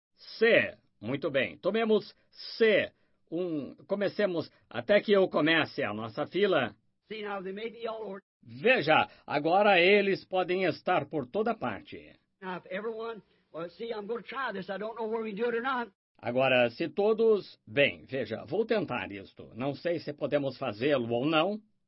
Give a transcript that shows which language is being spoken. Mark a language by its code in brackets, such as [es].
[pt] C, muito bem. Tomemos C1, comecemos até que eu comece a nossa fila. [en] See, now they may be all ordered. [pt] Veja, agora eles podem estar por toda parte. [en] Now, if everyone, well, see, I'm going to try this. I don't know where we do it or not. [pt] Agora, se todos... Bem, veja, vou tentar isto. Não sei se podemos fazê-lo ou não.